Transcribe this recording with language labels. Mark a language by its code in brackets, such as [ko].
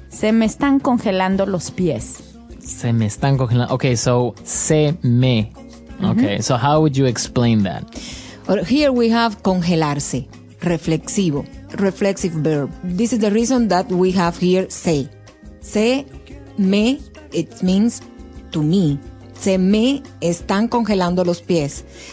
[es] Se me están congelando los pies. Se me están congelando. [en] Okay, so [es] se me. [en] Okay, mm-hmm. So how would you explain that? Well, here we have congelarse, reflexivo, reflexive verb. This is the reason that we have here se. Se me, it means to me. [es] Se me están congelando los pies.